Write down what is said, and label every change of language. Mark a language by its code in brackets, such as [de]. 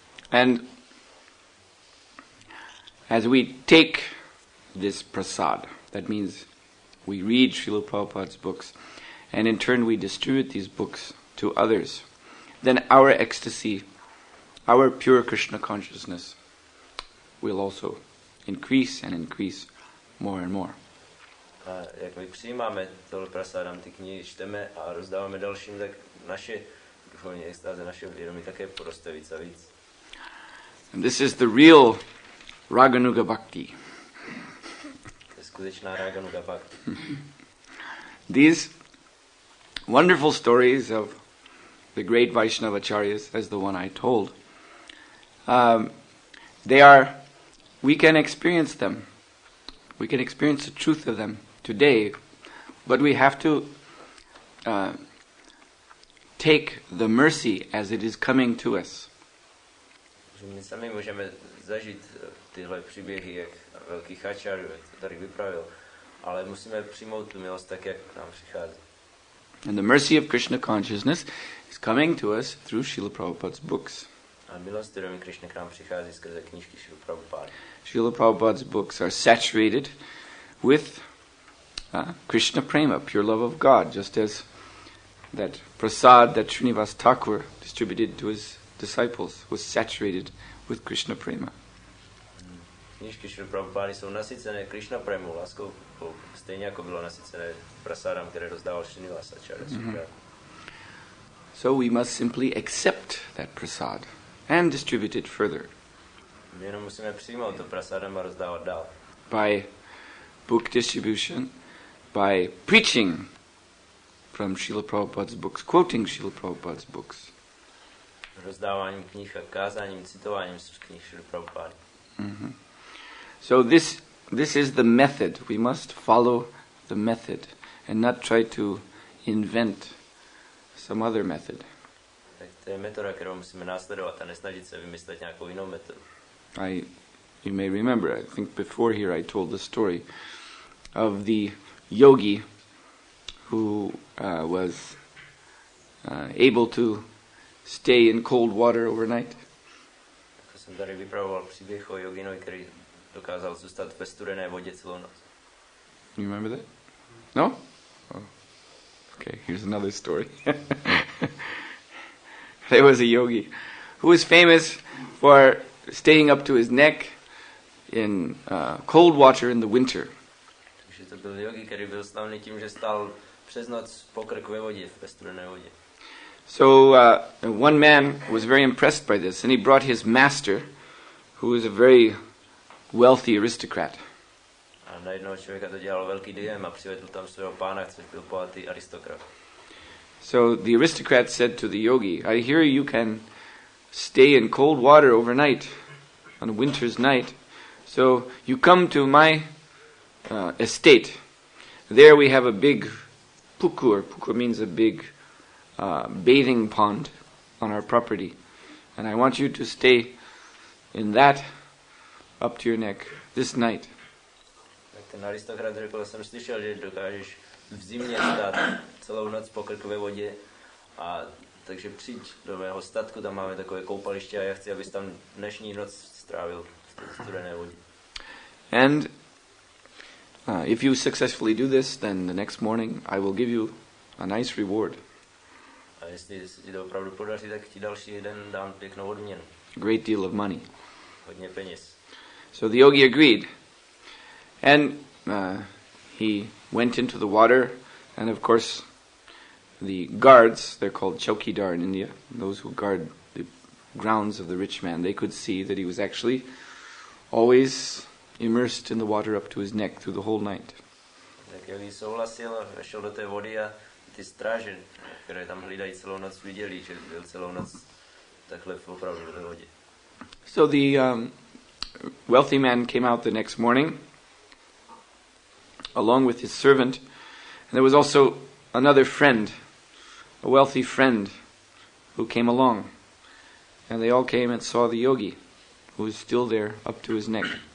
[en] And as we take this prasad, that means we read Srila Prabhupada's books, and in turn we distribute these books to others, then our ecstasy, our pure Krishna consciousness, will also increase and increase more and more. [cs] A jak my přijímáme tohle prasadam, ty knihy čteme a rozdáváme dalším, tak naše duchovní extáze, naše vědomí také poroste víc a víc. [en] And this is the real Raganuga Bhakti. [cs] To je skutečná Raganuga Bhakti. [en] These wonderful stories of the great Vaishnavacharyas, as the one I told, they are, we can experience them. We can experience the truth of them today, but we have to take the mercy as it is coming to us. [cs] My sami můžeme zažít tyhle příběhy, jak velký Acharya, jak to tady vypravil, ale musíme přijmout tu milost tak, jak nám přichází. [en] And the mercy of Krishna consciousness is coming to us through Srila Prabhupada's books. [cs] A milost vědomí Krishna k nám přichází skrze knížky Srila Prabhupada. [en] Srila Prabhupada's books are saturated with Krishna prema, pure love of God, just as that prasad that Srinivas Thakur distributed to his disciples was saturated with Krishna prema. [cs] Knižky Srila Prabhupada jsou nasycené Krishna prema, láskou, stejně jako bylo nasycené prasadam, které rozdával Srinivas Acharya. [en] So we must simply accept that prasad and distribute it further. [cs] My jenom musíme přijmout to prasadam a rozdávat dál. [en] By book distribution, by preaching from Srila Prabhupada's books, quoting Srila Prabhupada's books. [cs] Rozdáváním knih a kázáním, citováním z knih Srila Prabhupada. [en] So this is the method. We must follow the method and not try to invent some other method. [cs] Tak to je metoda, kterou musíme následovat a nesnažit se vymyslet nějakou jinou metodu. [en] You may remember, I think before here I told the story of the yogi who was able to stay in cold water overnight. [cs] Jako jsem tady vypravoval příběh o joginovi, který dokázal zůstat ve studené vodě celou noc. [en] You remember that? No? Oh. Okay, here's another story. There was a yogi who was famous for staying up to his neck in cold water in the winter. [cs] Takže to byl yogi, který byl slavný tím, že stál přes noc po krk ve vodě, ve studené vodě. [en] So one man was very impressed by this, and he brought his master, who was a very wealthy aristocrat. [cs] A najednou člověka to dělal velký dojem a přivedl tam svého pána, což byl bohatý aristokrat. [en] So the aristocrat said to the yogi, I hear you can stay in cold water overnight, on a winter's night, so you come to my estate. There we have a big Pukur means a big bathing pond on our property. And I want you to stay in that up to your neck this night. [cs] Tak ten aristokrat řekl, jsem slyšel, že dokážeš v zimě stát celou noc po krk ve vodě. A takže přijď do mého statku, tam máme takové koupaliště a já chci, abys tam dnešní noc strávil v studené vodě. [en] And if you successfully do this, then the next morning I will give you a nice reward. [cs] A jestli se ti to opravdu podaří, tak ti další den dám pěknou odměnu. [en] Great deal of money. [cs] Hodně peněz. [en] So the yogi agreed. And he went into the water, and of course the guards, they're called chowkidar in India, those who guard the grounds of the rich man, they could see that he was actually always immersed in the water up to his neck through the whole night. [cs] Tak Eli souhlasil, šel do té vody a ty stráže, které tam hlídají celou noc, viděli, že byl celou noc takhle opravdu ve vodě. [en] So the wealthy man came out the next morning along with his servant, and there was also another friend, a wealthy friend who came along, and they all came and saw the yogi who was still there up to his neck.